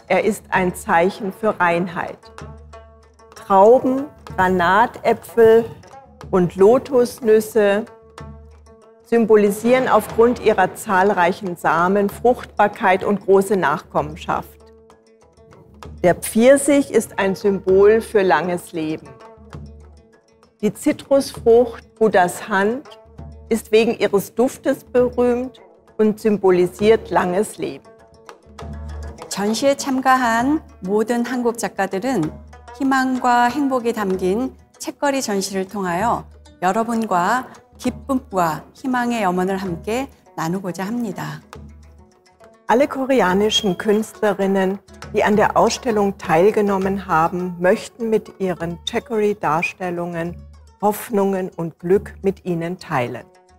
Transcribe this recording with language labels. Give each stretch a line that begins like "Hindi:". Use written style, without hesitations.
German: Er ist ein Zeichen für Reinheit. Trauben, Granatäpfel und Lotusnüsse symbolisieren aufgrund ihrer zahlreichen Samen Fruchtbarkeit und große Nachkommenschaft. Der Pfirsich ist ein Symbol für langes Leben. Die Zitrusfrucht Buddhas Hand ist wegen ihres Duftes berühmt und symbolisiert langes Leben.
Korean: 전시에 참가한 모든 한국 작가들은 희망과 행복이 담긴 책거리 전시를 통하여 여러분과 기쁨과 희망의 염원을 함께 나누고자 합니다.
German: Alle koreanischen Künstlerinnen, die an der Ausstellung teilgenommen haben, möchten mit ihren Checkery-Darstellungen Hoffnungen und Glück mit Ihnen teilen.